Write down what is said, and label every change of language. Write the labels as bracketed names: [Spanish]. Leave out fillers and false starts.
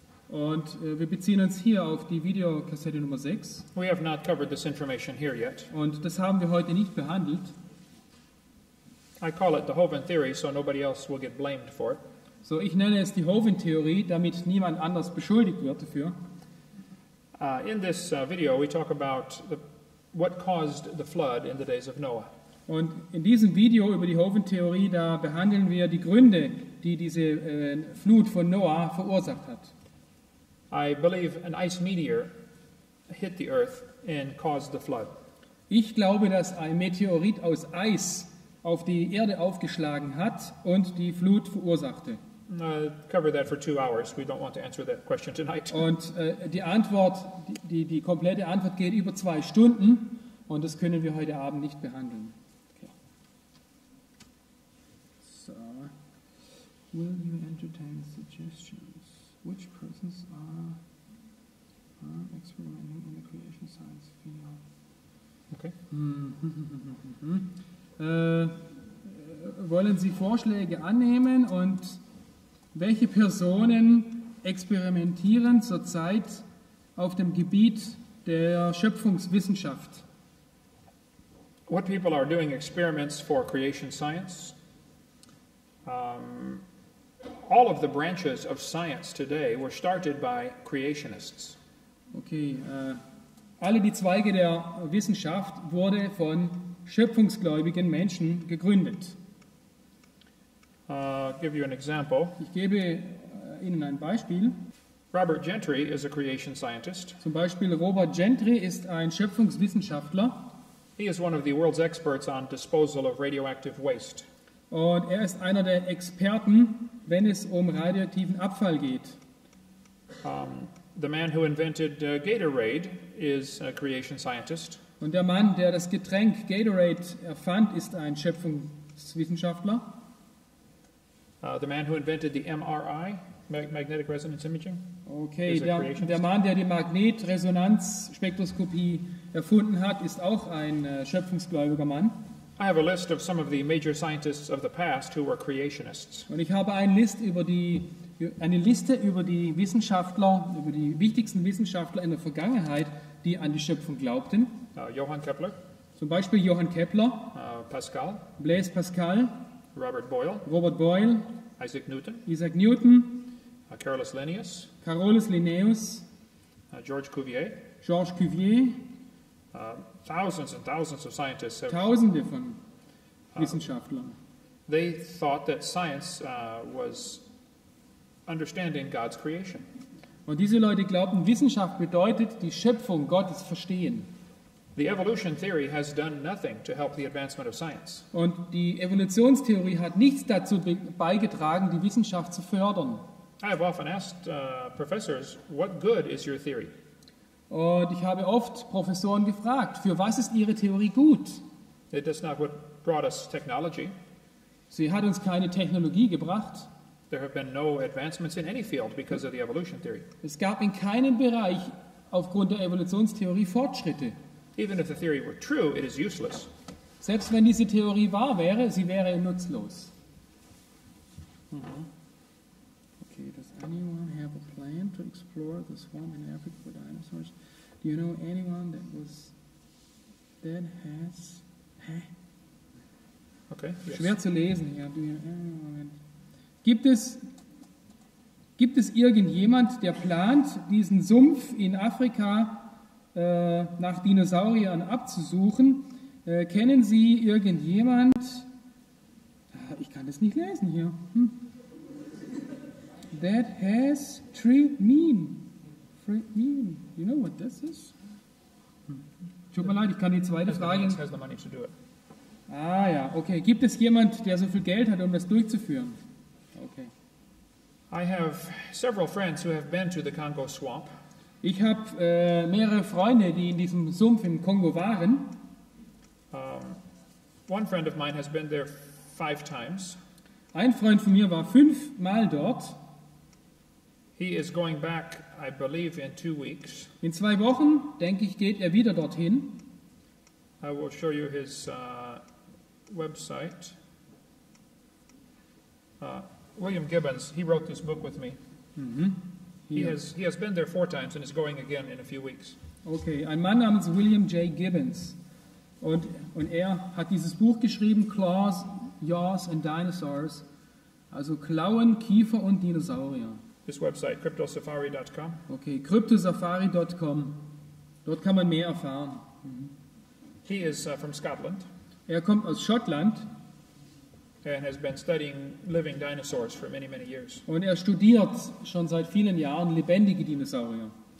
[German] Und wir beziehen uns hier auf die Videokassette Nummer 6. [English] We have not covered this information here yet. [German] Und das haben wir heute nicht behandelt. [English] I call it the Hovind theory, so nobody else will get blamed for it. [German] So, ich nenne es die Hovind-Theorie, damit niemand anders beschuldigt wird dafür. [English] In this video, we talk about what caused the flood in the days of Noah. [German] Und in diesem Video über die Hovind-Theorie, da behandeln wir die Gründe, die diese Flut von Noah verursacht hat. [English] I believe an ice meteor hit the earth and caused the flood. [German] Ich glaube, dass ein Meteorit aus Eis auf die Erde aufgeschlagen hat und die Flut verursachte. [English] Cover that for 2 hours. We don't want to answer that question tonight. [German] Und die Antwort, die komplette Antwort geht über 2 Stunden und das können wir heute Abend nicht behandeln. Okay. [English] So, will you entertain suggestions? Which persons are experimenting in the creation science field? Okay. [German] Wollen Sie Vorschläge annehmen und welche Personen experimentieren zurzeit auf dem Gebiet der Schöpfungswissenschaft? [English] What people are doing experiments for creation science? All of the branches of science today were started by creationists. [German] Okay, alle die Zweige der Wissenschaft wurde von schöpfungsgläubigen Menschen gegründet. [English] Give you an example. [German] Ich gebe Ihnen ein Beispiel. [English] Robert Gentry is a creation scientist. [German] Zum Beispiel Robert Gentry ist ein Schöpfungswissenschaftler. [English] He is one of the world's experts on disposal of radioactive waste. [German] Und er ist einer der Experten, wenn es um radioaktiven Abfall geht. [English] The man who invented Gatorade is a creation scientist. [German] Und der Mann, der das Getränk Gatorade erfand, ist ein Schöpfungswissenschaftler. [English] The man who invented the MRI, magnetic resonance imaging. [German] Okay, der Mann, der die Magnetresonanzspektroskopie erfunden hat, ist auch ein schöpfungsgläubiger Mann. [English] I have a list of some of the major scientists of the past who were creationists. [German] Und ich habe eine Liste über die Wissenschaftler, über die wichtigsten Wissenschaftler in der Vergangenheit, die an die Schöpfung glaubten. [English] Johann Kepler. [German] Zum Beispiel Johann Kepler. [English] Pascal. Blaise Pascal. Robert Boyle. Isaac Newton. Carolus Linnaeus. Carolus Linnaeus. George Cuvier. Thousands and thousands of scientists have. [German] Tausende von Wissenschaftlern. [English] They thought that science was understanding God's creation. [German] Und diese Leute glaubten, Wissenschaft bedeutet die Schöpfung Gottes verstehen. [English] The evolution theory has done nothing to help the advancement of science. [German] Und die Evolutionstheorie hat nichts dazu beigetragen, die Wissenschaft zu fördern. [English] I have often asked professors, what good is your theory? [German] Und ich habe oft Professoren gefragt, für was ist ihre Theorie gut? [English] It is not what brought us technology. [German] Sie hat uns keine Technologie gebracht. [English] There have been no advancements in any field because of the evolution theory. [German] Es gab in keinem Bereich aufgrund der Evolutionstheorie Fortschritte. [English] Even if the theory were true, it is useless. [German] Selbst wenn diese Theorie wahr wäre, sie wäre nutzlos. [English] Okay, does anyone have a plan to explore the swamp in Africa with dinosaurs? Do you know anyone that was that has? Okay. Yes. [German] Schwer zu lesen hier. [English] Do you know anyone? [German] Gibt es irgendjemand, der plant, diesen Sumpf in Afrika nach Dinosauriern abzusuchen? Kennen Sie irgendjemand? Ich kann das nicht lesen hier. [English] That has tree mean. Tree mean. You know what this is? [German] Tut mir leid, ich kann die zweite Frage. Ja, okay. Gibt es jemand, der so viel Geld hat, um das durchzuführen? Okay. [English] I have several friends who have been to the Congo swamp. [German] Ich habe mehrere Freunde, die in diesem Sumpf im Kongo waren. [English] One friend of mine has been there 5 times. [German] Ein Freund von mir war 5-mal dort. [English] He is going back, I believe, in 2 weeks. [German] In 2 Wochen, denke ich, geht er wieder dorthin. [English] I will show you his website. William Gibbons, he wrote this book with me. Mm-hmm. He has been there 4 times and is going again in a few weeks. [German] Okay, ein Mann namens William J. Gibbons. Und er hat dieses Buch geschrieben, Claws, Jaws and Dinosaurs. Also Klauen, Kiefer und Dinosaurier. [English] This website, cryptosafari.com. [German] Okay, cryptosafari.com. Dort kann man mehr erfahren. Mm-hmm. [English] He is from Scotland. [German] Er kommt aus Schottland. [English] And has been studying living dinosaurs for many, many years. [German] Und er studiert schon seit vielen Jahren lebendige Dinosaurier.